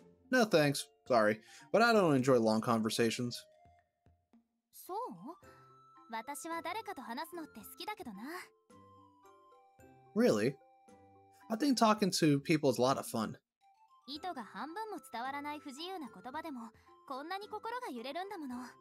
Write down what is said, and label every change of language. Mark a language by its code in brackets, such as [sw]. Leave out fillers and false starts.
[en] No thanks, sorry, but I don't enjoy long conversations. So? [ja] 私は誰かと話すのって好きだけどな。 [en] Really? I think talking to people is a lot of fun. [ja] 意図が半分も伝わらない不自由な言葉でも、こんなに心が揺れるんだもの。